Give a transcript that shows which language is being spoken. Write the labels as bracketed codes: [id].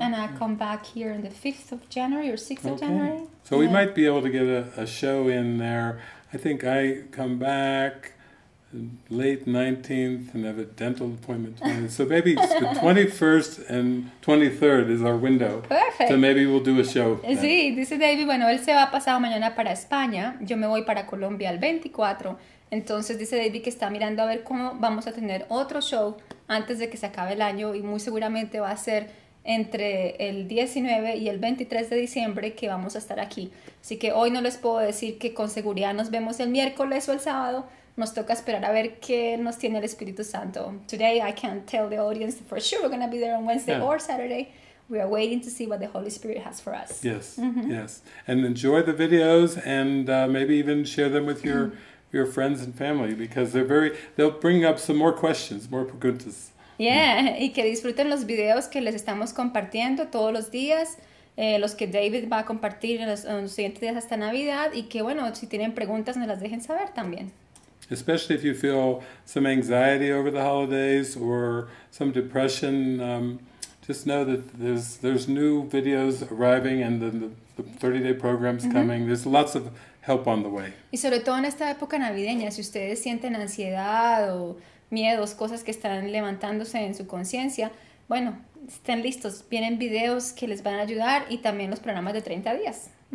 [en] And I come back here on the 5th of January or 6th okay. of January. So yeah. We might be able to get a show in there. I think I come back late 19th and have a dental appointment 20th. So maybe it's the 21st and 23rd is our window. Perfect. So maybe we'll do a show. [es] Sí, dice David, bueno, él se va pasado mañana para España, yo me voy para Colombia el 24. Entonces dice David que está mirando a ver cómo vamos a tener otro show antes de que se acabe el año y muy seguramente va a ser entre el 19 y el 23 de diciembre que vamos a estar aquí. Así que hoy no les puedo decir que con seguridad nos vemos el miércoles o el sábado. Nos toca esperar a ver qué nos tiene el Espíritu Santo. [en] Today I can't tell the audience for sure we're going to be there on Wednesday yeah. or Saturday. We are waiting to see what the Holy Spirit has for us. Yes, mm-hmm. yes. And enjoy the videos and maybe even share them with your friends and family because they'll bring up some more questions, more preguntas. [es] Yeah, y que disfruten los videos que les estamos compartiendo todos los días. Los que David va a compartir en los siguientes días hasta Navidad. Y que bueno, si tienen preguntas, nos las dejen saber también. [en] Especially if you feel some anxiety over the holidays or some depression, just know that there's new videos arriving and the 30-day program's mm-hmm. coming. There's lots of help on the way. [es] Y sobre todo en esta época navideña, si ustedes sienten ansiedad o miedos, cosas que están levantándose en su conciencia, Bueno, estén listos. Vienen videos que les van a ayudar y también los programas de 30 días.